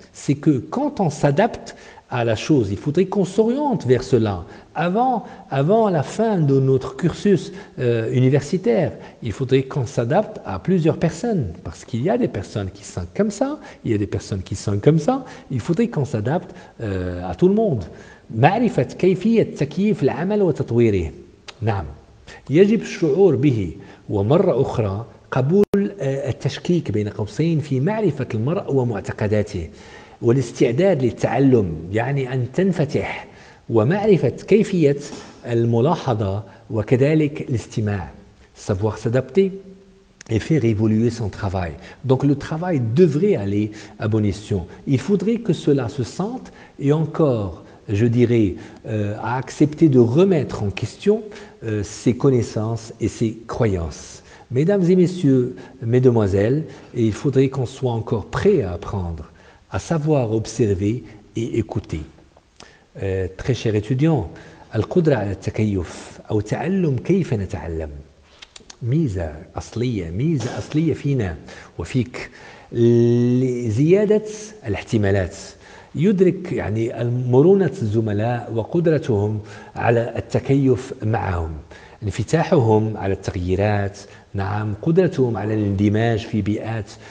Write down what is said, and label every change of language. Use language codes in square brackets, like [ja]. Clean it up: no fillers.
[fr] C'est que quand on s'adapte à la chose, il faudrait qu'on s'oriente vers cela. Avant la fin de notre cursus universitaire, il faudrait qu'on s'adapte à plusieurs personnes, parce qu'il y a des personnes qui sont comme ça, il y a des personnes qui sont comme ça, il faudrait qu'on s'adapte à tout le monde. [ar] معرفة كيفية تكييف العمل وتطويره. نعم، يجب الشعور به، ومرة أخرى قبول التشكيك بين قوسين في معرفة المرء ومعتقداته، والاستعداد للتعلم، يعني أن تنفتح، ومعرفة كيفية الملاحظة وكذلك الاستماع. [fr] Savoir s'adapter et faire évoluer son travail. Donc le travail devrait aller à bon escient. Il faudrait que cela se sente et encore. Je dirais, à accepter de remettre en question ses connaissances et ses croyances. Mesdames et messieurs, mesdemoiselles, il faudrait qu'on soit encore prêt à apprendre, à savoir observer et écouter. Très cher étudiant, [ar] القدرة على التكيف أو تعلم كيف نتعلم ميزة أصلية فينا وفيك لزيادة الاحتمالات. يدرك يعني مرونة الزملاء وقدرتهم على التكيف معهم، انفتاحهم على التغييرات، نعم، قدرتهم على الاندماج في بيئات